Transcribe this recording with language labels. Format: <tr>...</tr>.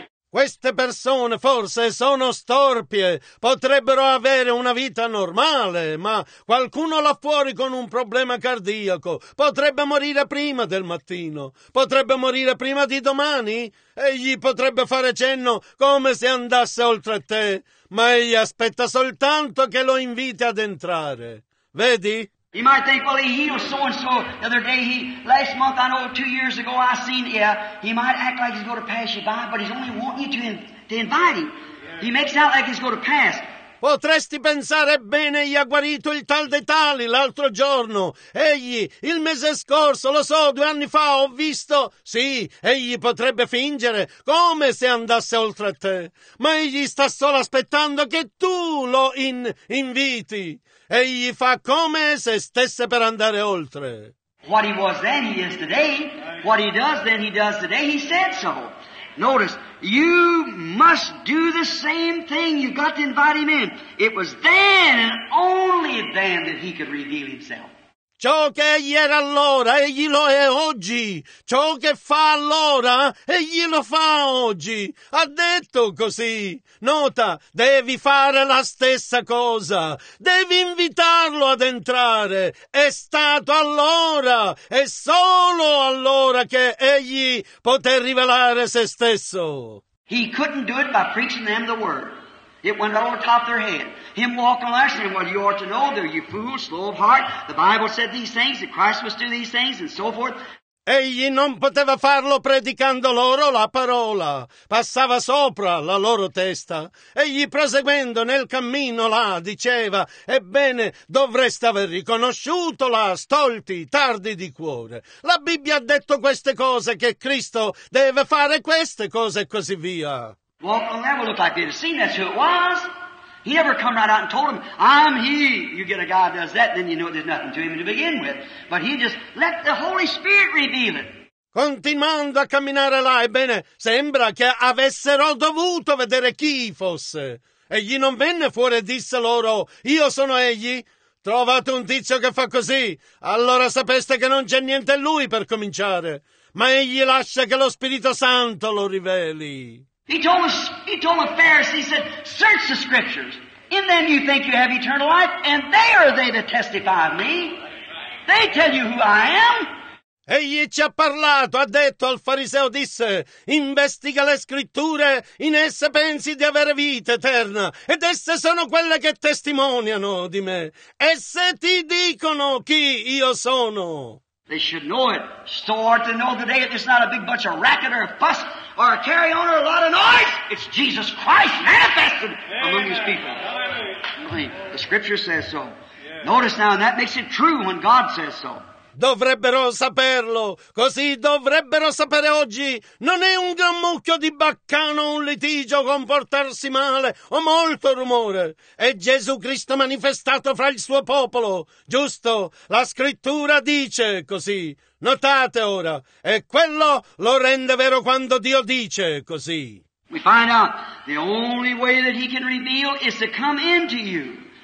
<it>Queste persone forse sono storpie, potrebbero avere una vita normale, ma qualcuno là fuori con un problema cardiaco potrebbe morire prima del mattino, potrebbe morire prima di domani, egli potrebbe fare cenno come se andasse oltre te, ma egli aspetta soltanto che lo inviti ad entrare. Vedi?</it> <en>You might think, well, he healed so-and-so the other day. Last month, I know, 2 years ago, I seen, yeah, he might act like he's going to pass you by, but he's only wanting you to invite him. He makes out like he's going to pass.</en> <it>Potresti pensare, bene, gli ha guarito il tal dei tali l'altro giorno. Egli, il mese scorso, lo so, 2 anni fa, ho visto. Sì, egli potrebbe fingere come se andasse oltre a te. Ma egli sta solo aspettando che tu lo inviti. Egli fa come se stesse per andare oltre.</it> <en>What he was then, he is today. What he does then, he does today. He said so. Notice, you must do the same thing. You've got to invite him in. It was then and only then that he could reveal himself.</en> <it>Ciò che egli era allora, egli lo è oggi. Ciò che fa allora, egli lo fa oggi. Ha detto così. Nota, devi fare la stessa cosa. Devi invitarlo ad entrare. È stato allora, è solo allora che egli poté rivelare se stesso.</it> <en>He couldn't do it by preaching them the word. It went right on top of their head. Him walking last night, well, you ought to know, they're you fools, slow of heart. The Bible said these things, that Christ must do these things, and so forth.</en> <it>Egli non poteva farlo predicando loro la parola. Passava sopra la loro testa. Egli, proseguendo nel cammino là, diceva, ebbene, dovreste aver riconosciuto là, stolti, tardi di cuore. La Bibbia ha detto queste cose, che Cristo deve fare queste cose e così via.</it> <en>Walk on that would look like they'd have seen that's who it was. He never come right out and told him, I'm he. You get a guy who does that, then you know there's nothing to him to begin with. But he just let the Holy Spirit reveal it.</en> <it>Continuando a camminare là, ebbene, sembra che avessero dovuto vedere chi fosse. Egli non venne fuori e disse loro, io sono egli. Trovate un tizio che fa così, allora sapeste che non c'è niente in lui per cominciare. Ma egli lascia che lo Spirito Santo lo riveli.</it> <en>He told the Pharisees, he said, search the scriptures. In them you think you have eternal life, and they are they that testify of me. They tell you who I am.</en> <it>Egli ci ha parlato, ha detto al fariseo, disse, investiga le scritture, in esse pensi di avere vita eterna, ed esse sono quelle che testimoniano di me. Esse ti dicono chi io sono.</it> <en>They should know it. So hard to know today that it's not a big bunch of racket or a fuss or a carry-on or a lot of noise. It's Jesus Christ manifested among these people. The Scripture says so. Notice now, and that makes it true when God says so.</en> <it>Dovrebbero saperlo, così dovrebbero sapere oggi. Non è un gran mucchio di baccano, un litigio, comportarsi male o molto rumore. È Gesù Cristo manifestato fra il suo popolo, giusto? La Scrittura dice così. Notate ora, e quello lo rende vero quando Dio dice così.</it> <en>We find out the only way that he can reveal is to come into you.</en>